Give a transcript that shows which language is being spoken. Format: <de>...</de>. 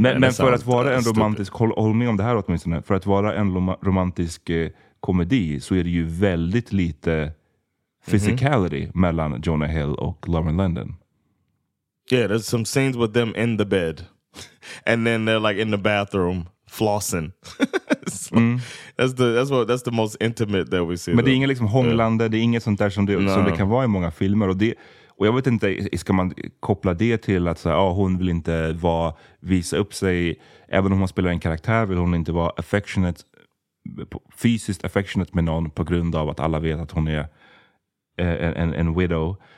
<sv>Men för att vara en romantisk... Håll med om det här åtminstone. För att vara en romantisk komedi så är det ju väldigt lite physicality mellan Jonah Hill och Lauren London.</sv> <en>Yeah, there's some scenes with them in the bed. And then they're like in the bathroom flossing. That's the most intimate that we see.</en> <sv>Men det är inget liksom hånglande, det är inget sånt där som det kan vara i många filmer. Och jag vet inte, ska man koppla det till att så här, hon vill inte visa upp sig, även om hon spelar en karaktär, vill hon inte vara affectionate, fysiskt affectionate med någon på grund av att alla vet att hon är en widow.</sv>